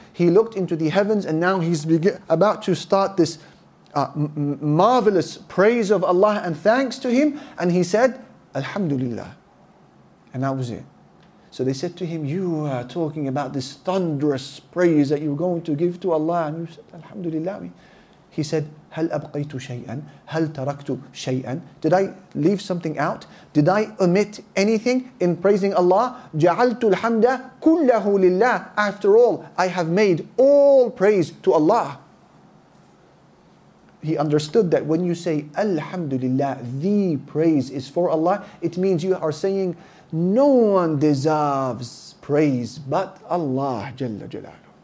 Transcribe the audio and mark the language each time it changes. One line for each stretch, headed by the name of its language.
English: He looked into the heavens and now he's about to start this marvelous praise of Allah and thanks to him, and he said, Alhamdulillah. And that was it. So they said to him, you are talking about this thunderous praise that you're going to give to Allah, and you said, Alhamdulillah. He said,
Arabic: هَلْ أَبْقَيْتُ شَيْئًا هَلْ تَرَكْتُ شَيْئًا.
English: Did I leave something out? Did I omit anything in praising Allah?
Arabic: جَعَلْتُ الْحَمْدَ كُلَّهُ لِلَّهِ.
English: After all, I have made all praise to Allah. He understood that when you say Alhamdulillah, the praise is for Allah, it means you are saying no one deserves praise but Allah Jalla Jalalu.